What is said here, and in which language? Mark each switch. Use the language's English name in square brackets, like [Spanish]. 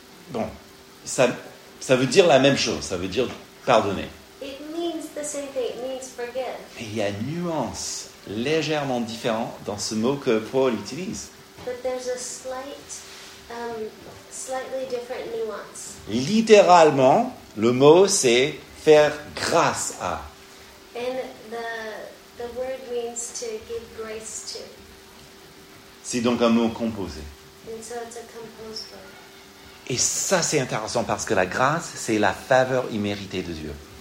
[French] Bon, ça veut dire la même chose, ça veut dire pardonner. [English] It means the same thing. It means forgive. [French] Mais il y a une nuance légèrement différente dans ce mot que Paul utilise. [English] But there's a slightly different nuance. [French] Littéralement, le mot c'est faire grâce à. [English] And the word means to give grace to. [French] C'est donc un mot composé. [English] And so it's a composed word. [French] Et ça, c'est intéressant parce que la grâce, c'est la faveur imméritée de Dieu.